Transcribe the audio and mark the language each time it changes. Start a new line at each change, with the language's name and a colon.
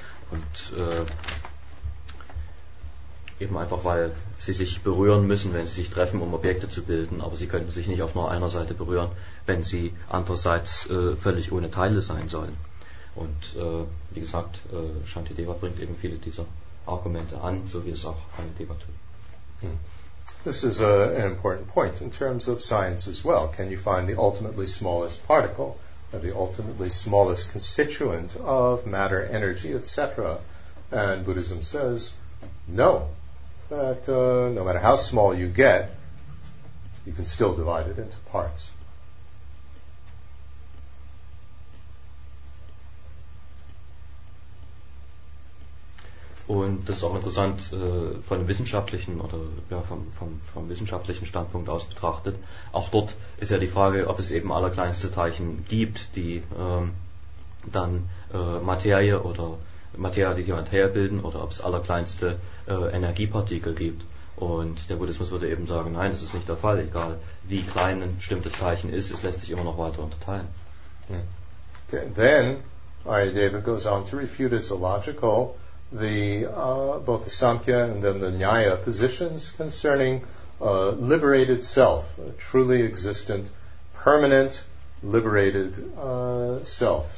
German: Und eben einfach, weil sie sich berühren müssen, wenn sie sich treffen, um Objekte zu bilden, aber sie könnten sich nicht auf nur einer Seite berühren, wenn sie andererseits völlig ohne Teile sein sollen. Und wie gesagt, Shantideva bringt eben viele dieser Argumente an, so wie es auch Ayadeva tut.
English: This is an important point in terms of science as well. Can you find the ultimately smallest particle, or the ultimately smallest constituent of matter, energy, etc.? And Buddhism says, no. That no matter how small you get, you can still divide it into parts.
German: Und das ist auch interessant von einem wissenschaftlichen oder ja, vom wissenschaftlichen Standpunkt aus betrachtet. Auch dort ist ja die Frage, ob es eben allerkleinste Teilchen gibt, die dann Materie oder Materie, die Materie bilden, oder ob es allerkleinste Energiepartikel gibt. Und der Buddhismus würde eben sagen, nein, das ist nicht der Fall. Egal wie klein ein bestimmtes Teilchen ist, es lässt sich immer noch weiter unterteilen. Okay.
English: Then, Ayadeva goes on to refute as illogical the both the Samkhya and then the Nyaya positions concerning liberated self, a truly existent, permanent, liberated self.